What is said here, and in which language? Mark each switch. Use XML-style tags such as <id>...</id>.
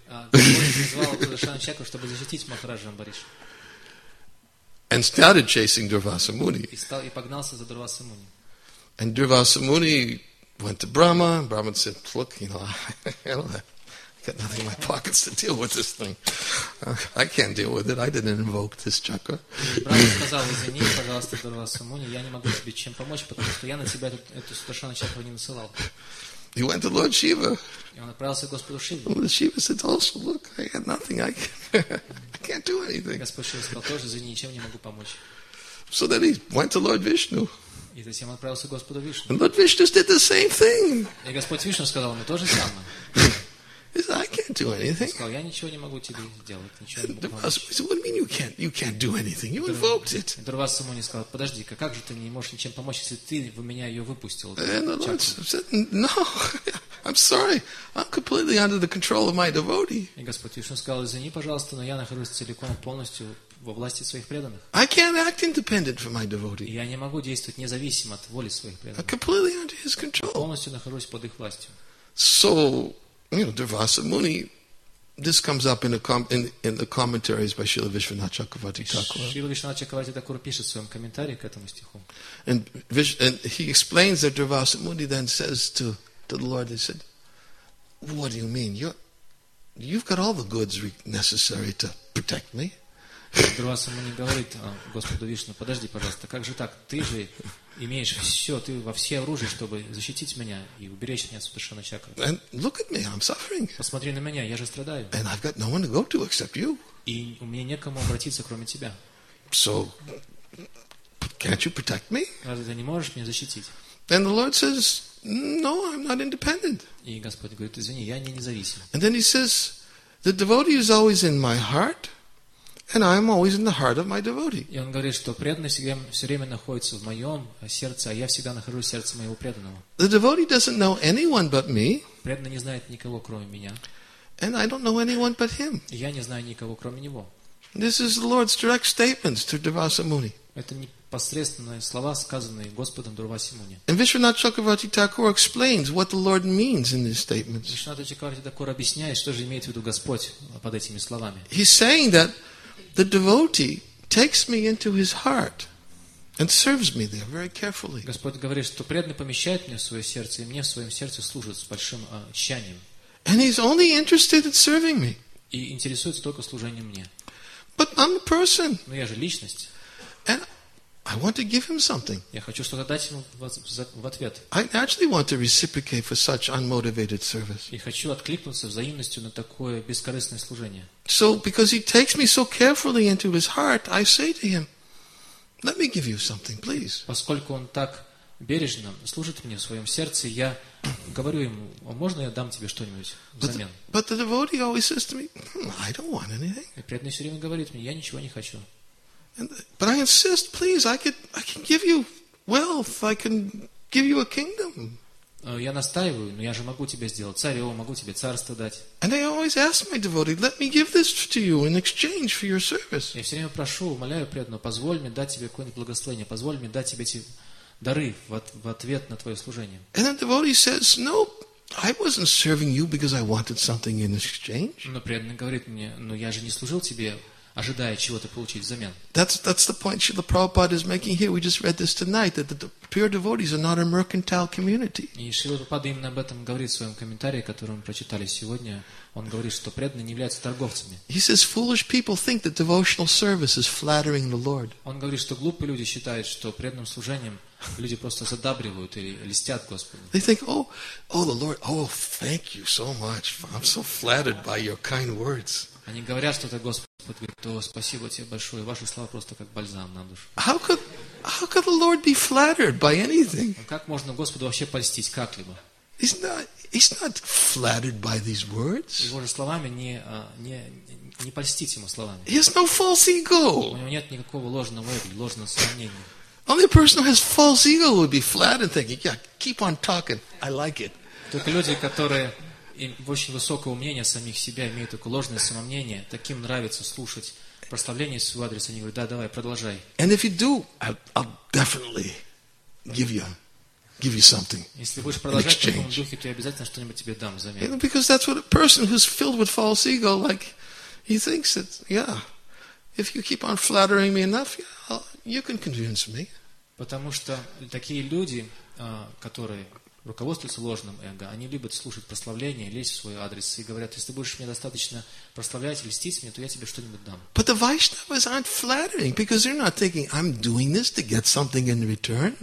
<ru>Господь призвал Сударшану чакру, чтобы защитить Махараджу Амбаришу.</ru> <en>And started chasing Durvasa Muni.</en> <ru>И погнался за Дурваса Муни.</ru> <en>And Durvasa Muni went to Brahma. And Brahma said, "Look, you know, I got nothing in my pockets to deal with this thing. I can't deal with it. I didn't invoke this chakra."</en> <ru>Брахма сказал: "Извини, пожалуйста, Дурваса Муни, я не могу тебе чем помочь, потому что я на тебя эту совершенно чакру не насылал."</ru> <en>He went to Lord Shiva.</en> <ru>И он отправился к Господу Шиве.</ru> <en>Lord Shiva said, also, look, I had nothing. I can't do anything.</en> <ru>Господь Шива сказал, тоже, извини, ничем не могу помочь.</ru> <en>So then he went to Lord Vishnu.</en> <ru>И затем отправился к Господу Вишну.</ru> <en>And Lord Vishnu did the same thing.</en> <ru>И Господь Вишну сказал ему то же самое.</ru> <en>He said, I can't do anything.</en> <ru>Сказал, я ничего не могу тебе сделать, ничего не могу.</ru> <en>Said, what do you mean you can't do anything? You invoked it.</en> <ru>Дурвасу Муни сказал, подожди-ка, как же ты не можешь ничем помочь, если ты в меня ее выпустил?</ru> <en>And the Lord said, no, I'm sorry, I'm completely under the control of my devotee.</en> <ru>И Господь Вишну сказал, извини, пожалуйста, но я нахожусь целиком полностью во власти своих преданных.</ru> <en>I can't act independent from my devotee.</en> <ru>Я не могу действовать независимо от воли своих преданных.</ru> <en>I'm completely under his control.</en> <ru>Полностью нахожусь под их властью.</ru> <en>So, you know, Durvasa Muni, this comes up in the commentaries by Śrīla Viśvanātha Chakravarti Thakura.</en> <ru>Śrīla Viśvanātha Chakravarti Thakura пишет в своем комментарии к этому стиху.</ru> <en>And he explains that Durvasa Muni then says to the Lord, he said, what do you mean? You've got all the goods necessary to protect me.</en> <ru>Дурвасу Муни говорит Господу Вишну, подожди, пожалуйста, как же так? Ты же имеешь все, ты во все оружие, чтобы защитить меня и уберечь меня от Сударшана Чакры.</ru> <en>And look at me, I'm suffering.</en> <ru>Посмотри на меня, я же страдаю.</ru> <en>And I've got no one to go to except you.</en> <ru>И у меня некому обратиться, кроме тебя.</ru> <en>So, can't you protect me?</en> <ru>Разве ты не можешь меня защитить?</ru> <en>And the Lord says, no, I'm not independent.</en> <ru>И Господь говорит, извини, я не независим.</ru> <en>And then he says, the devotee is always in my heart. And I'm always in the heart of my devotee.</en> <ru>И он говорит, что преданный всегда все время находится в моем сердце, а я всегда нахожусь в сердце моего преданного.</ru> <en>The devotee doesn't know anyone but me.</en> <ru>Преданный не знает никого кроме меня.</ru> <en>And I don't know anyone but him.</en> <ru>Я не знаю никого кроме него.</ru> <en>This is the Lord's direct statements to Durvasa Muni.</en> <ru>Это непосредственные слова, сказанные Господом Дурвасе Муни.</ru> <en>And Vishwanatha Chakravarti Thakura explains what the Lord means in these statements.</en> <ru>Vishwanatha Chakravarti Thakura объясняет, что же имеет в виду Господь под этими словами.</ru> <en>He's saying that the devotee takes me into his heart and serves me there very carefully.</en> <ru>Господь говорит, что преданный помещает меня в свое сердце, и мне в своем сердце служит с большим тщанием.</ru> <en>And he's only interested in serving me.</en> <ru>И интересуется только служением мне.</ru> <en>But I'm a person.</en> <ru>Но я же личность.</ru> <en>And I want to give him something.</en> <ru>Я хочу что-то дать ему в ответ.</ru> <en>I actually want to reciprocate for such unmotivated service.</en> <ru>И хочу откликнуться взаимностью на такое бескорыстное служение.</ru> <en>So, because he takes me so carefully into his heart, I say to him, "Let me give you something, please."</en> <ru>Поскольку он так бережно служит мне в своем сердце, я говорю ему, можно я дам тебе что-нибудь взамен?</ru> <en>But the devotee always says to me, "I don't want anything."</en> <ru>И преданный все время говорит мне, я ничего не хочу.</ru> <en>But I insist, please. I can give you wealth. I can give you a kingdom.</en> <ru>Я настаиваю, но я же могу тебе сделать царя, могу тебе царство дать.</ru> <en>And I always ask my devotee, let me give this to you in exchange for your service.</en> <ru>Я все время прошу, умоляю преданного, позволь мне дать тебе какое-нибудь благословение, позволь мне дать тебе эти дары в ответ на твое служение.</ru> <en>And the devotee says, no. I wasn't serving you because I wanted something in exchange.</en> <ru>Но преданный говорит мне, но я же не служил тебе, ожидая чего-то получить взамен.</ru> <en>That's the point Śrīla Prabhupāda is making here. We just read this tonight, that the pure devotees are not a mercantile community.</en> <ru>И Śrīla Prabhupāda именно об этом говорит в своем комментарии, который мы прочитали сегодня. Он говорит, что преданные не являются торговцами.</ru> <en>He says, foolish people think that devotional service is flattering the Lord.</en> <ru>Он говорит, что глупые люди считают, что преданным служением люди просто задабривают или льстят Господу.</ru> <en>They think, oh, the Lord, oh, thank you so much. I'm so flattered by your kind words.</en> <ru>Они говорят что-то Господу. Господь говорит, о, спасибо тебе большое, ваши слова просто как бальзам на душу.</ru> <en>How could the Lord be flattered by anything?</en> <ru>Как можно Господу вообще польстить как-либо?</ru> <en>He's not flattered by these words.</en> <ru>Его же словами не польстить ему словами.</ru> <en>He has no false ego.</en> <ru>У него нет никакого ложного эго, ложного сомнения.</ru> <en>Only a person who has false ego would be flattered, thinking, yeah, keep on talking, I like it.</en> <ru>Только люди, которые им очень высокое мнение о самих себя, имеют такое ложное самомнение, таким нравится слушать прославление в свой адрес, они говорят, да, давай, продолжай.</ru> <en>And if you do, I'll definitely give you something.</en> <ru>Если будешь продолжать в таком духе, то я обязательно что-нибудь тебе дам взамен.</ru> <en>You know, because that's what a person who's filled with false ego, like, he thinks that, yeah, if you keep on flattering me enough, you can convince me.</en> <ru>Потому что такие люди, которые руководствуются ложным эго. Они любят слушать прославления, лезть в свой адрес и говорят, если ты будешь мне достаточно прославлять, льстить мне, то я тебе что-нибудь дам.</ru> <en>But the Vaishnavas aren't flattering because they're not thinking, I'm doing this to get something in return.</en>